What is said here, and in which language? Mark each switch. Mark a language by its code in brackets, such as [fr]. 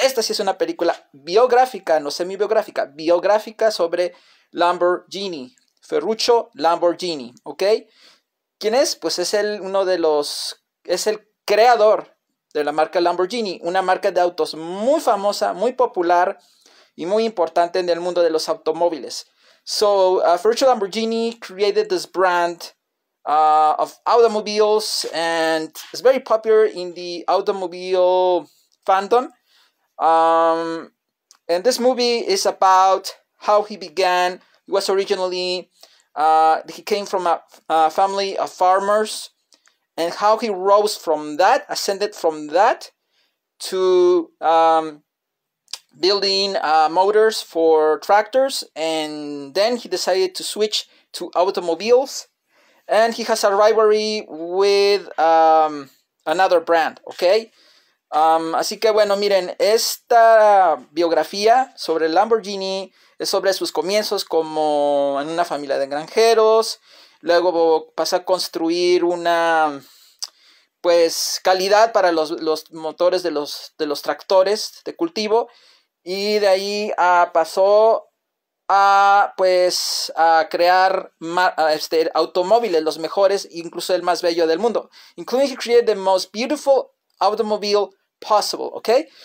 [es] Esta sí es una película biográfica, no semi-biográfica, biográfica sobre Lamborghini, Ferruccio Lamborghini, ¿ok? ¿Quién es? Pues es el uno de los... es el creador de la marca Lamborghini, una marca de autos muy famosa, muy popular y muy importante en el mundo de los automóviles. [en] So, Ferruccio Lamborghini created this brand of automobiles and it's very popular in the automobile fandom. And this movie is about how he began. It was originally, he came from a family of farmers. And how he rose from that, ascended from that to building motors for tractors. And then he decided to switch to automobiles. And he has a rivalry with another brand, okay? [es] Así que bueno, miren, esta biografía sobre Lamborghini es sobre sus comienzos como en una familia de granjeros. Luego pasa a construir una... pues calidad para los motores de los tractores de cultivo y de ahí pasó a pues a crear automóviles los mejores, incluso el más bello del mundo. [en] Including he created the most beautiful automobile possible, okay?